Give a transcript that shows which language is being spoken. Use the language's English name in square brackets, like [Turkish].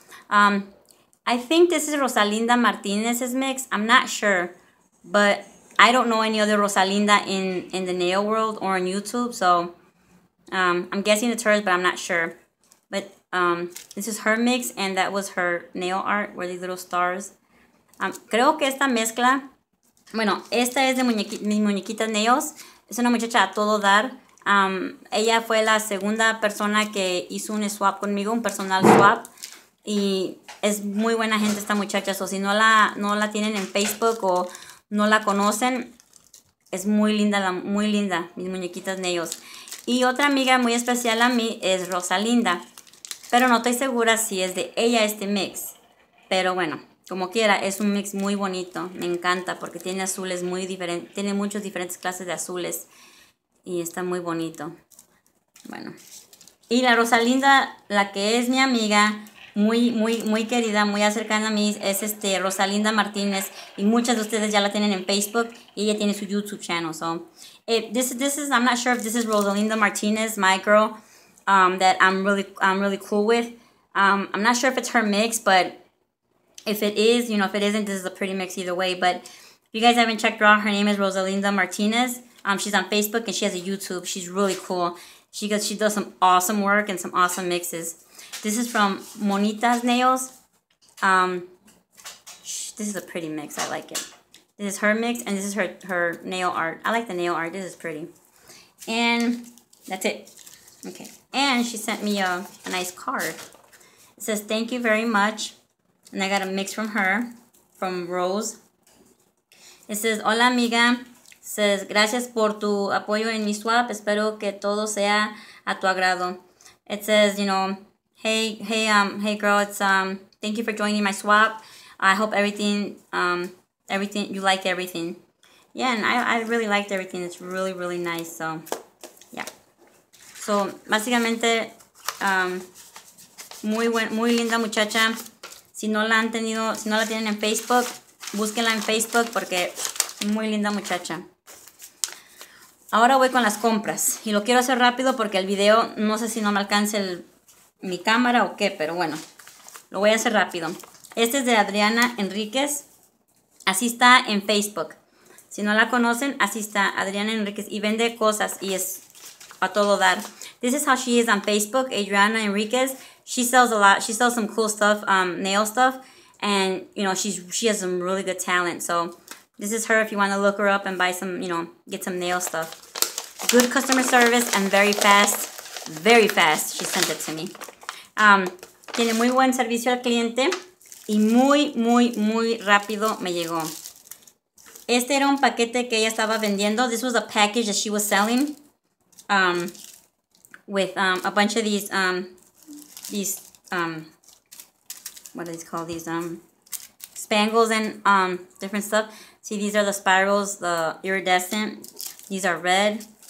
[English] I think this is Rosalinda Martinez's mix. I'm not sure, but I don't know any other Rosalinda in the nail world or on YouTube, so I'm guessing it's hers, but I'm not sure. But this is her mix, and that was her nail art, were these little stars. [Spanish] Creo que esta mezcla, bueno, esta es de mis muñequitas nails. Es una muchacha a todo dar. Ella fue la segunda persona que hizo un swap conmigo, un personal swap, y es muy buena gente esta muchacha, o so, si no la tienen en Facebook o no la conocen, es muy linda, mis muñequitas de ellos. Y otra amiga muy especial a mí es Rosalinda, pero no estoy segura si es de ella este mix, pero bueno, como quiera, es un mix muy bonito, me encanta porque tiene azules muy diferentes, tiene muchas diferentes clases de azules. Y está muy bonito. Bueno. Y la Rosalinda, la que es mi amiga, muy, muy, muy querida, muy cercana a mí, es Rosalinda Martínez. Y muchas de ustedes ya la tienen en Facebook. Y ella tiene su YouTube channel. [English] So, this is, I'm not sure if this is Rosalinda Martinez, my girl, that I'm really cool with. I'm not sure if it's her mix, but if it is, you know, if it isn't, this is a pretty mix either way. But if you guys haven't checked her out, her name is Rosalinda Martinez. She's on Facebook and she has a YouTube. She's really cool. She does some awesome work and some awesome mixes. This is from Monita's Nails. this is a pretty mix. I like it. This is her mix, and this is her nail art. I like the nail art. This is pretty. And that's it. Okay. And she sent me a nice card. It says, thank you very much. And I got a mix from her, from Rose. It says, [Spanish] hola amiga. [English] It says, [Spanish] gracias por tu apoyo en mi swap. Espero que todo sea a tu agrado. [English] It says, you know, hey girl, it's thank you for joining my swap. I hope everything you like everything. Yeah, and I really liked everything. It's really, really nice. So yeah. [Spanish] So básicamente, muy linda muchacha. Si no la han tenido, si no la tienen en Facebook, búsquenla en Facebook porque muy linda muchacha. Ahora voy con las compras. Y lo quiero hacer rápido porque el video, no sé si no me alcance mi cámara o qué, pero bueno, lo voy a hacer rápido. Este es de Adriana Enríquez. Así está en Facebook. Si no la conocen, así está Adriana Enríquez. Y vende cosas y es a todo dar. [English] This is how she is on Facebook, Adriana Enríquez. She sells a lot. She sells some cool stuff, nail stuff. And, you know, she has some really good talent. So this is her if you want to look her up and buy some, you know, get some nail stuff. Good customer service and very fast. Very fast. She sent it to me. [Spanish] Tiene muy buen servicio al cliente. Y muy, muy, muy rápido me llegó. Este era un paquete que ella estaba vendiendo. [English] This was a package that she was selling. A bunch of these spangles and different stuff. See, these are the spirals, the iridescent. These are red.